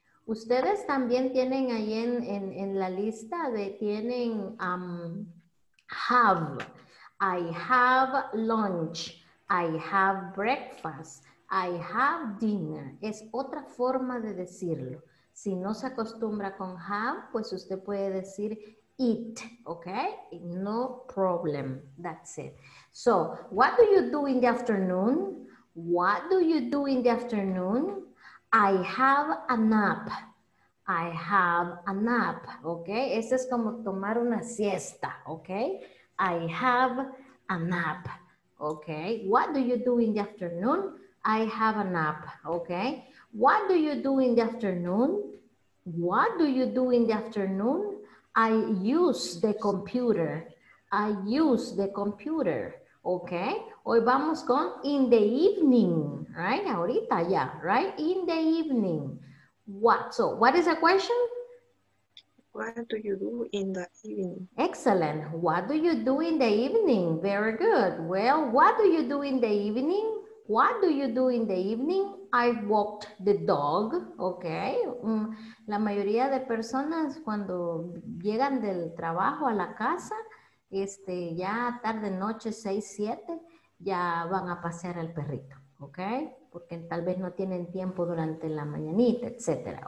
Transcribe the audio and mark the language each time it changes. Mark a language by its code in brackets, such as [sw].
[es] Ustedes también tienen ahí en la lista de tienen have. [en] I have lunch. I have breakfast. I have dinner. [es] Es otra forma de decirlo. Si no se acostumbra con have, pues usted puede decir eat, okay? [en] No problem. That's it. So, what do you do in the afternoon? What do you do in the afternoon? I have a nap. I have a nap, okay? [es] Eso es como tomar una siesta, okay? [en] I have a nap, okay? What do you do in the afternoon? I have a nap, okay? What do you do in the afternoon? What do you do in the afternoon? I use the computer. I use the computer. Okay. [es] Hoy vamos con [en] in the evening. Right? [es] Ahorita ya. [en] Yeah. Right? In the evening. What? So, what is the question? What do you do in the evening? Excellent. What do you do in the evening? Very good. Well, what do you do in the evening? What do you do in the evening? I walked the dog. Okay. [es] La mayoría de personas cuando llegan del trabajo a la casa, ya tarde, noche, 6, 7, ya van a pasear al perrito. Okay. Porque tal vez no tienen tiempo durante la mañanita, etc.